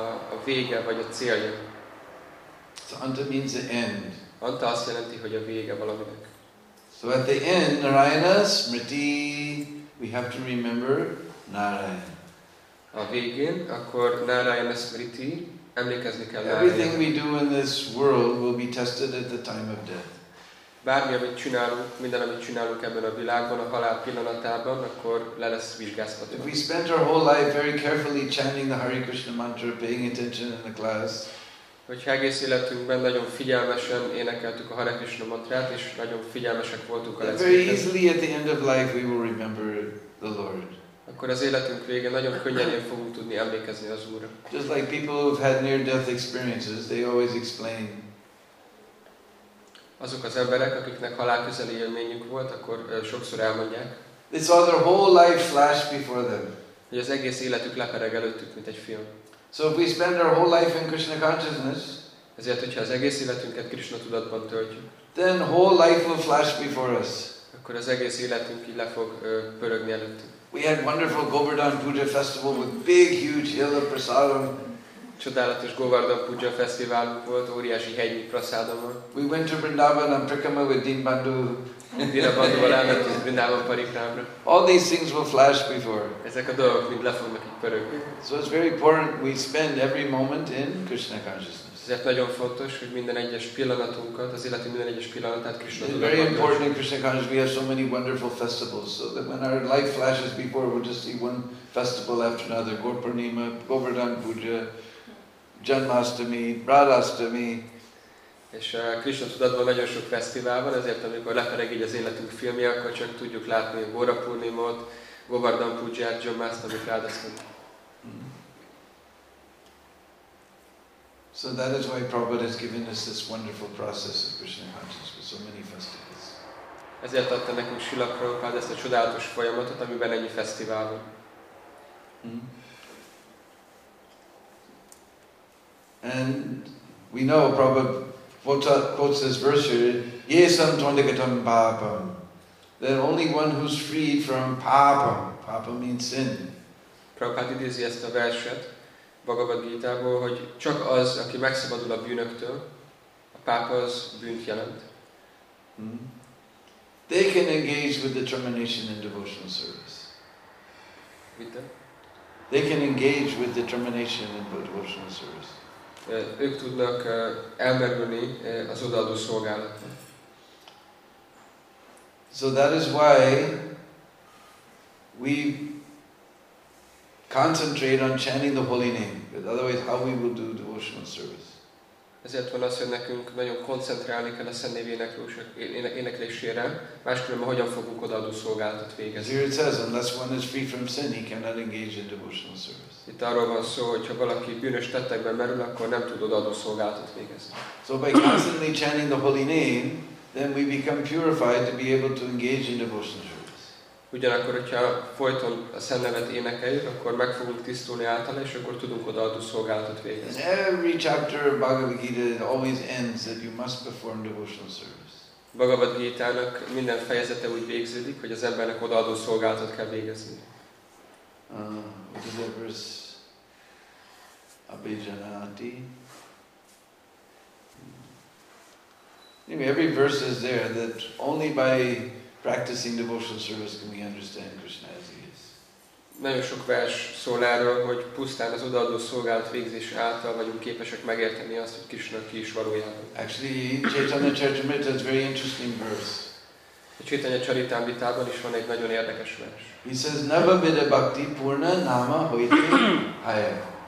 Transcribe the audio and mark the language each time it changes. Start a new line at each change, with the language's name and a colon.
Hungarian: A vége vagy a célja.
English: So Anta means the end.
Hungarian: Anta azt jelenti, hogy a vége valaminek.
English: So at the end, Narayana Smriti, we have to remember Narayana.
Hungarian: A végén, akkor Narayana Smriti, emlékezni kell Narayana.
English: Everything we do in this world will be tested at the time of death.
Hungarian: Bármi, amit csinálunk, minden, amit csinálunk ebben a világban, a halál pillanatában, akkor le lesz vizsgáztatva.
English: If we spent our whole life very carefully chanting the Hare Krishna mantra, paying attention in the class.
Hungarian: Hogyha egész életünkben nagyon figyelmesen énekeltük a Hare Krishna mantrát, és nagyon figyelmesek voltunk a leckéket.
English: Very easily at the end of life we will remember the Lord.
Hungarian: Akkor az életünk vége nagyon könnyen fogunk tudni emlékezni az Úrra.
English: Just like people who've had near-death experiences, they always explain.
Hungarian: Azok az emberek, akiknek halál közeli élményük volt, akkor sokszor elmondják.
English: They saw their whole life flash before them.
Hungarian: Hogy az egész életük lepereg előttük, mint egy film.
English: So if we spend our whole life in Krishna consciousness,
Hungarian: ezért, hogyha az egész életünket Krishna tudatban töltjük,
English: then whole life will flash before us.
Hungarian: Akkor az egész életünk így le fog pörögni előttünk.
English: We had wonderful Govardhan Puja festival with big, huge hill of prasadam.
Hungarian: Csodálatos Govardhan Puja fesztiválunk volt, óriási hegyi prasadamon.
English: We went to Vrindavan and Parikrama with Dinbandhu.
Hungarian: Dinbandhuval elmentünk Vrindavan Parikramra.
English: All these things will flash before.
Hungarian: Ezek a dolgok mind le fognak így pörögni.
English: So it's very important we spend every moment in Krishna consciousness.
Hungarian: Ezért nagyon fontos, hogy minden egyes pillanatunkat, az életünk minden egyes pillanatát Krishna tudatban töltsük.
English: It's very important in Krishna consciousness we have so many wonderful festivals, so that when our life flashes before, we'll just see one festival after another. Gopurnima, Govardhan Puja, Janmashtami, Radhashtami.
Hungarian: És Krishna tudatban nagyon sok fesztivál van, ezért amikor lepereg így az életünk filmje, akkor csak tudjuk látni Gaurapurnimot, Govardhan Pujját, Janmashtami, Radhashtami.
English: So that is why Prabhupada has given us this wonderful process of Krishna consciousness with so many festivals.
Hungarian: Ezért adta nekünk Srila Prabhupada ezt a csodálatos folyamatot, amiben ennyi fesztivál van.
English: And we know Prabhupada quotes this verse here,
Sanskrit: Yesam Tondagatam Papam.
English: That only one who's freed from Papam. Papam means sin.
Hungarian: Prabhupada idézi ezt a verset Bhagavad Gita-ból, hogy csak az, aki megszabadul a bűnöktől, a pápa az bűnt jelent.
English: They can engage with determination in devotional service. Mitte? They can engage with determination in devotional service.
Hungarian: Ők tudnak elmerülni az odaadó szolgálatba.
English: So that is why we concentrate on chanting the holy name. But otherwise, how we will do devotional service?
Hungarian: Ezért van az, hogy nekünk nagyon koncentrálni kell a Szent Név éneklésére. Máskülönben hogyan fogunk odaadó szolgálatot végezni?
English: Here it says, unless one is free from sin, he cannot engage in devotional service.
Hungarian: Itt arról van szó, hogy ha valaki bűnös tettekben merül, akkor nem tud odaadó szolgálatot végezni.
English: So by constantly chanting the holy name, then we become purified to be able to engage in devotional service.
Hungarian: Ugyanakkor, hogyha folyton a Szent Nevet énekeljük, akkor meg fogunk tisztulni általa, és akkor tudunk odaadó szolgálatot végezni.
English: And every chapter of Bhagavad Gita always ends that you must perform devotional service.
Hungarian: Bhagavad Gita-nak minden fejezete úgy végződik, hogy az embernek odaadó szolgálatot kell végezni.
English: What is that verse? Abhijanati. Anyway, every verse is there that only by practicing devotional service can we understand Krishna as he is.
Hungarian: nagyon sok vers szól erről, hogy pusztán az odaadó szolgálat végzése által vagyunk képesek megérteni azt, hogy Krisna ki is valójában.
English: Actually, Chaitanya Charitamrita is very interesting verse.
Hungarian: A Chaitanya Charitamritában is van egy nagyon érdekes vers.
English: He says,
Bangla: "Nava vide bhakti purna nama hoiti haya."